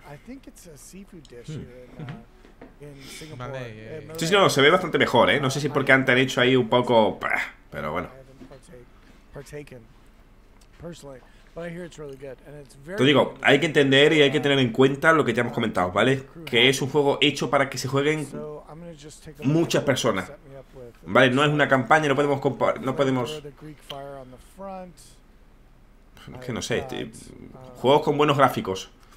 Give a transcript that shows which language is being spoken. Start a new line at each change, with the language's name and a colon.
English: I think it's a seafood dish in Singapore. Malay, yeah, Malay.
Spanish: Sí, no, se ve bastante mejor, No sé si porque han hecho ahí un poco, pero bueno.
English: Personally, but I hear it's really good, and it's very.
Spanish: Te digo, hay que entender y hay que tener en cuenta lo que ya hemos comentado, ¿vale? Que es un juego hecho para que se jueguen muchas personas. Vale, no es una campaña, no podemos comparar, no podemos... Es que no sé, juegos con buenos gráficos.